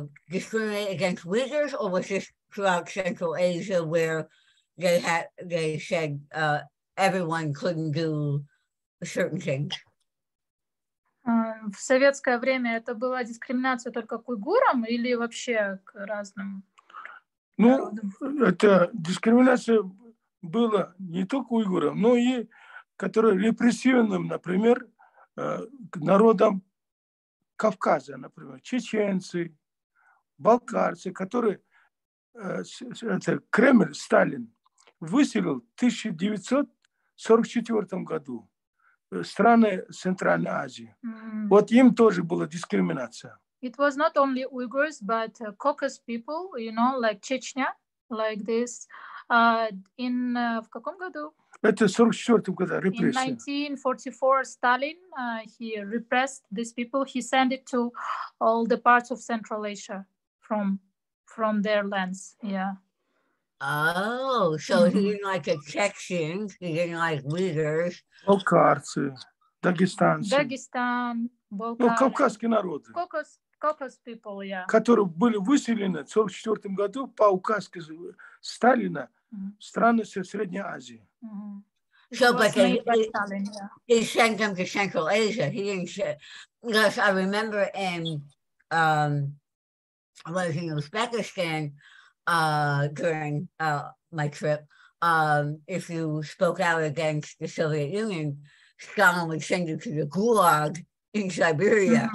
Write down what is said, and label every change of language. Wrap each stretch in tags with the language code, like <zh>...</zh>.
<en>discriminate against Uyghurs, or was this throughout Central Asia where they said everyone couldn't do certain things?</en> <ru>В советское время это была дискриминация только к уйгурам или вообще к разным? Ну, это дискриминация была не только уйгурам, но и которые репрессивным, например. К народам Кавказа, например, чеченцы, балкарцы, которые это Кремль, Сталин, выселил в 1944 году страны Центральной Азии. Mm-hmm. Вот им тоже была дискриминация.</ru> <en>It was not only Uyghurs, but Caucasus people, you know, like Chechnya, like this.</en> <ru>В каком году? Это 44-м году репрессия.</ru> <en>In 1944, Stalin, he repressed these people. He sent it to all the parts of Central Asia from their lands, yeah. Oh, so mm-hmm. he didn't like the Chechens, he didn't like Uyghurs.</en> <ru>Балкарцы, дагестанцы. Дагестан, Балкар. Ну, кавказские народы.</ru> <en>Caucasus people, yeah.</en> <ru>Которые были выселены в 44-м году по указке Сталина mm-hmm. страны Средней Азии. Mm-hmm.</ru> <en>So, but he sent them to Central Asia. He didn't say, because I remember in in Uzbekistan during my trip, if you spoke out against the Soviet Union, Stalin would send you to the gulag in Siberia.</en>